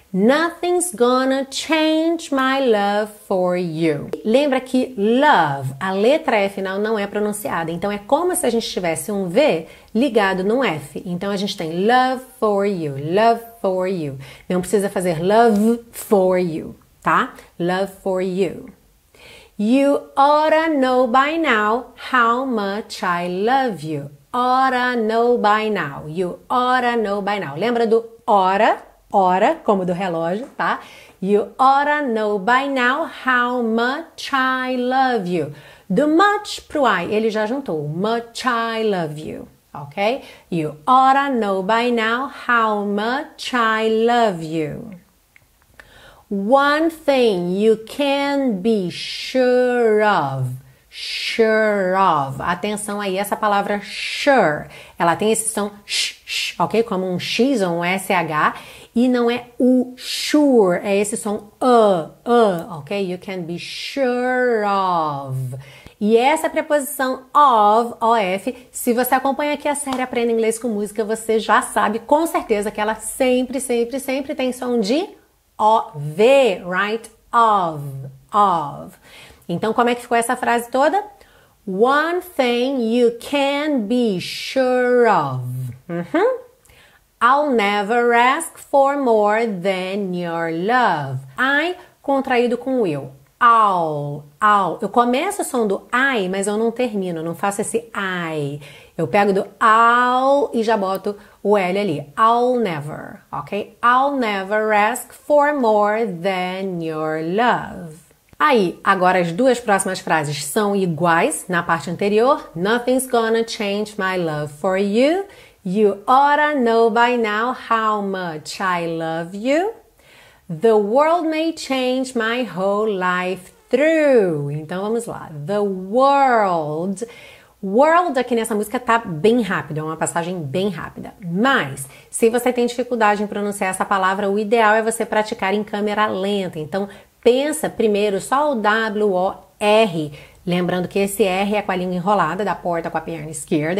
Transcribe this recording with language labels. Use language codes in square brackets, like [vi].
[en] Nothing's gonna change my love for you. [pt] Lembra que love, a letra F final não é pronunciada. Então é como se a gente tivesse um V ligado num F. Então a gente tem [en] love for you, love for you. [pt] Não precisa fazer [en] love for you, [pt] tá? [en] Love for you. You oughta know by now how much I love you. Oughta know by now. You oughta know by now. [pt] Lembra do oughta? Ora, como do relógio, tá? [en] You oughta know by now how much I love you. [pt] Do much pro I, ele já juntou. [en] Much I love you, ok? You oughta know by now how much I love you. One thing you can be sure of. Sure of. [pt] Atenção aí, essa palavra sure. Ela tem esse som sh, ok? Como um X ou um SH. E não é o sure, é esse som ok? [en] You can be sure of. [pt] E essa preposição of, O-F, se você acompanha aqui a série Aprenda Inglês com Música, você já sabe com certeza que ela sempre, sempre, sempre tem som de O-V, right? [en] Of, of. [pt] Então, como é que ficou essa frase toda? [en] One thing you can be sure of. Uhum. I'll never ask for more than your love. I, [pt] contraído com [en] will. I'll. [pt] Eu começo o som do I, mas eu não termino, não faço esse I. Eu pego do I'll e já boto o L ali. [en] I'll never, ok? I'll never ask for more than your love. [pt] Aí, agora as duas próximas frases são iguais na parte anterior. [en] Nothing's gonna change my love for you. You oughta know by now how much I love you. The world may change my whole life through. [pt] Então vamos lá. [en] The world. [pt] World aqui nessa música tá bem rápido, é uma passagem bem rápida. Mas, se você tem dificuldade em pronunciar essa palavra, o ideal é você praticar em câmera lenta. Então pensa primeiro só o W-O-R. Lembrando que esse R é com a língua enrolada da porta com a perna esquerda.